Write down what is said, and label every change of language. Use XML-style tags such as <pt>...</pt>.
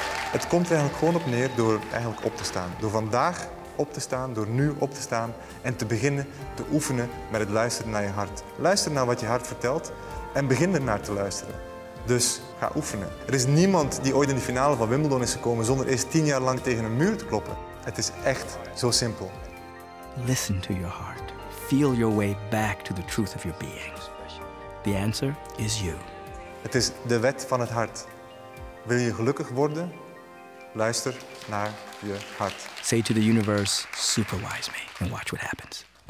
<nl>Het komt eigenlijk gewoon op neer door eigenlijk op te staan. Door vandaag op te staan, door nu op te staan en te beginnen te oefenen met het luisteren naar je hart. Luister naar wat je hart vertelt en begin er naar te luisteren. Dus ga oefenen. Er is niemand die ooit in de finale van Wimbledon is gekomen zonder eerst 10 jaar lang tegen een muur te kloppen. Het is echt zo simpel.</nl> <en>Listen to your heart. Feel your way back to the truth of your being. The answer is you.</en> <nl>Het is de wet van het hart. Wil je gelukkig worden? Luister naar je hart.</nl> <en>Say to the universe, supervise me and watch what happens.</en>